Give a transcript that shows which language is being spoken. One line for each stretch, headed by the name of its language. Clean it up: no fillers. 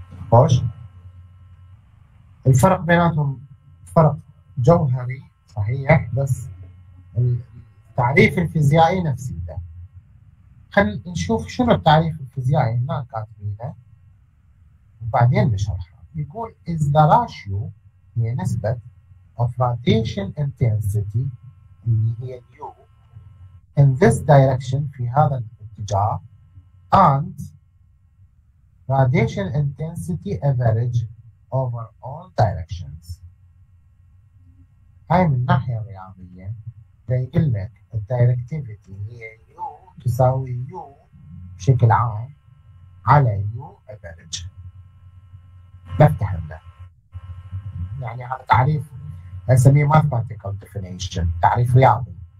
Arabic: خوش، الفرق بيناتهم فرق جوهري صحيح، بس التعريف الفيزيائي نفسه ده. خلينا نشوف شنو التعريف الفيزيائي هنا كاتبينه وبعدين بشرحه.
English: يقول is the ratio
Arabic: هي نسبة
English: of radiation intensity
Arabic: اللي هي
English: U in this direction
Arabic: في هذا الاتجاه
English: and radiation intensity average over all directions.
Arabic: هاي من ناحية رياضية يقول لك الدايركتيفيتي هي U تساوي U بشكل عام على U average. بفتح هنا يعني هذا تعريف اسميه
English: mathematical definition،
Arabic: تعريف رياضي.